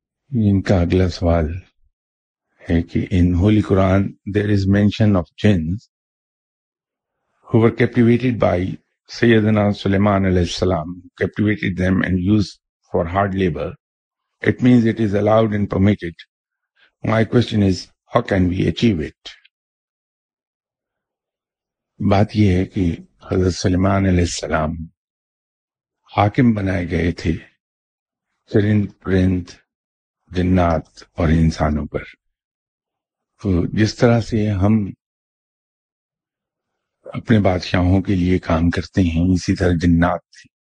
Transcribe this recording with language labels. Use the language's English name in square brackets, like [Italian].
[Urdu] ان کا اگلا سوال ہے کہ [English] In holy Quran there is mention of jinns who were captivated by سیدنا سلیمان علیہ السلام, captivated them and use for hard labour. It means it is allowed and permitted. My question is how can we achieve it. [Urdu] بات یہ ہے کہ حضرت سلیمان علیہ السلام حاکم بنائے گئے تھے چرند پرند جنات اور انسانوں پر. تو جس طرح سے ہم اپنے بادشاہوں کے لیے کام کرتے ہیں اسی طرح جنات تھے.